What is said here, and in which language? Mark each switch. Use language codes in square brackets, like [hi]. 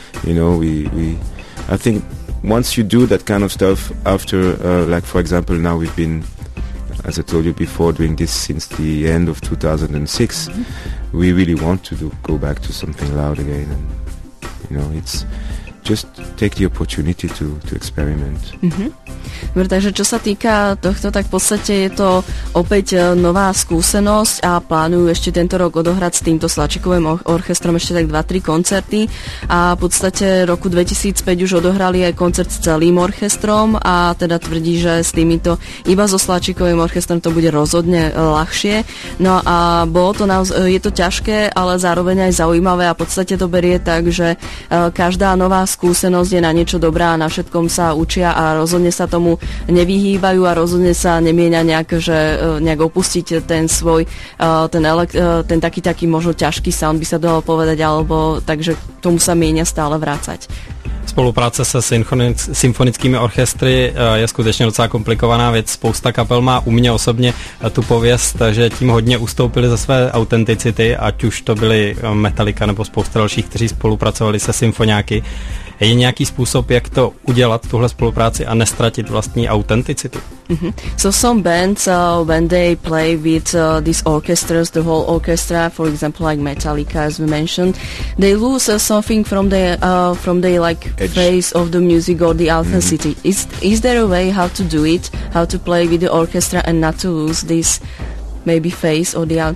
[en] You know, I think once you do that kind of stuff after, like for example, now we've been, as I told you before, doing this since the end of 2006, mm-hmm. we really want to go back to something loud again, and, you know, it's just take the opportunity to experiment. Mm-hmm. [sk] Takže čo sa týka tohto, tak v podstate je to opäť nová skúsenosť a plánujú ešte tento rok odohrať s týmto Slačikovým orchestrom ešte tak 2-3 koncerty a v podstate roku 2005 už odohrali aj koncert s celým orchestrom a teda tvrdí, že s týmito iba so Slačikovým orchestrom to bude rozhodne ľahšie. No a bolo to je to ťažké, ale zároveň aj zaujímavé a v podstate to berie tak, že každá nová skúsenosť je na niečo dobrá a na všetkom sa učia a rozhodne sa tomu nevyhýbajú a rozhodne sa nemieňa nejak, že nejak opustiť ten svoj, ten taký možno ťažký sound, by sa dalo povedať, alebo takže tomu sa mieňa stále vrácať. [cs] Spolupráce se symfonickými orchestry je skutečně docela komplikovaná věc. Spousta kapel má u mě osobně tu pověst, že tím hodně ustoupili ze své autenticity, ať už to byly Metallica nebo spousta dalších, kteří spolupracovali se symfoniáky. Je nějaký způsob, jak to udělat, tuhle spolupráci, a nestratit vlastní autenticitu? Mm-hmm. [en] So some bands, when they play with these orchestras, the whole orchestra, for example, like Metallica, as we mentioned, they lose something from the face of the music or the authenticity. Mm-hmm. Is there a way how to do it, how to play with the orchestra and not to lose this maybe face or the